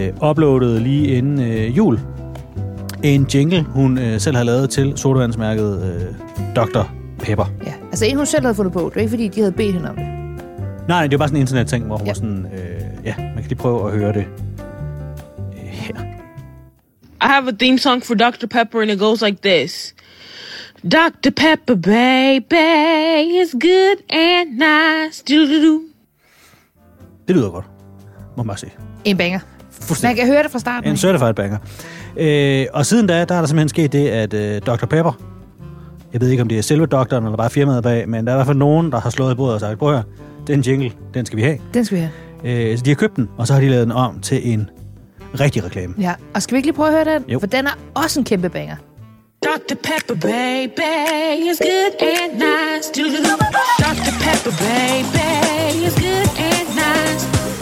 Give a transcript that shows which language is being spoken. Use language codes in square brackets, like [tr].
[da] Uploadede lige inden jul en jingle, hun selv har lavet til sodavandsmærket Dr. Pepper. Ja, altså en, hun selv havde fundet på. Det var ikke, fordi de havde bedt hende om det. Nej, det var bare sådan en internetting, hvor hun var sådan... ja, man kan lige prøve at høre det her. [en] I have a theme song for Dr. Pepper, and it goes like this. Dr. Pepper, baby, is good and nice. Do-do-do. [da] Det lyder godt, må man bare sige. En banger. Man kan høre det fra starten. En [en] certified banger. [da] Og siden da, der er der simpelthen sket det, at Dr. Pepper, jeg ved ikke, om det er selve doktoren, eller bare firmaet bag, men der er i hvert fald nogen, der har slået i bordet og sagt, prøv at høre, den jingle, den skal vi have. Den skal vi have. Så de har købt den, og så har de lavet den om til en rigtig reklame. Ja, og skal vi ikke lige prøve at høre den? Jo. For den er også en kæmpe banger. [en] Dr. Pepper, baby, is good and nice. Dr. Pepper, baby, is good and nice.